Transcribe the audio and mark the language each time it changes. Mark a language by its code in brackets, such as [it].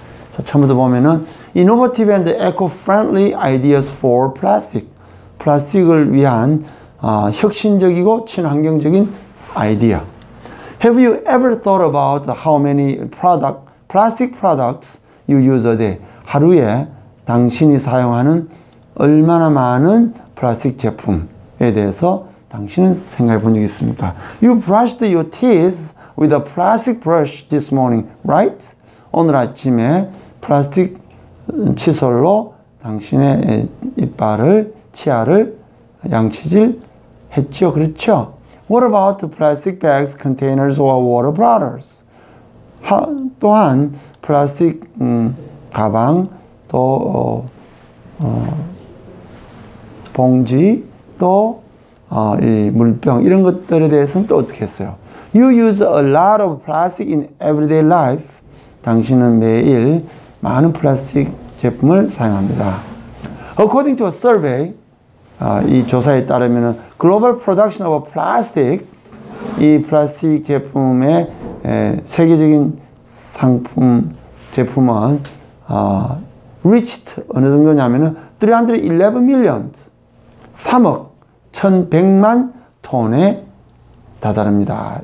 [ko] 자, 처음부터 보면은 [en] Innovative and Eco-Friendly Ideas for Plastic [ko] 플라스틱을 위한 혁신적이고 친환경적인 아이디어 [en] Have you ever thought about how many plastic products you use a day? [ko] 하루에 당신이 사용하는 얼마나 많은 플라스틱 제품에 대해서 당신은 생각해 본 적이 있습니까? [en] You brushed your teeth with a plastic brush this morning, right? [ko] 오늘 아침에 플라스틱 칫솔로 당신의 이빨을, 치아를 양치질 했죠, 그렇죠? [en] What about the plastic bags, containers, or water bottles? [ko] 또한 플라스틱 가방, 또 봉지, 또 이 물병 이런 것들에 대해서는 또 어떻게 했어요? [en] You use a lot of plastic in everyday life. [ko] 당신은 매일 많은 플라스틱 제품을 사용합니다. [en] According to a survey, [ko] 이 조사에 따르면은 [en] global production of plastic, [ko] 이 플라스틱 제품의 세계적인 상품 제품은 [en] reached [ko] 어느 정도냐면은 [en] 311 million, [ko] 3억 1,100만 톤에 다다릅니다.